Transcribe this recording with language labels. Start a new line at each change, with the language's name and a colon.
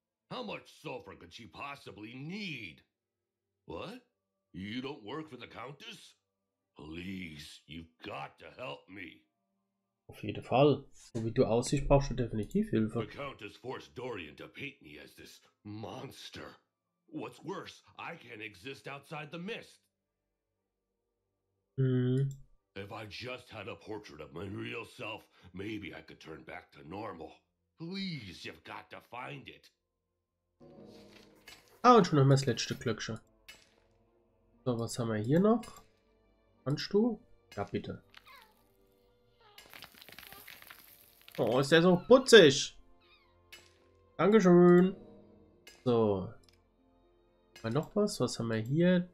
English: How much sulfur could she possibly need? What? You don't work for the Countess? Please, you've got to help me.
German: Auf jeden Fall. So wie du aussiehst, brauchst du definitiv Hilfe.
English: The Countess forced Dorian to paint me as this monster. What's worse, I can't exist outside the mist. If I just had a portrait of my real self, maybe I could turn back to normal. Please, you've got to find it.
German: Ah, und schon haben wir das letzte Glöckchen. So, was haben wir hier noch? Kannst du? Ja, bitte. Oh, ist der so putzig. Dankeschön. So. Mal noch was? Was haben wir hier?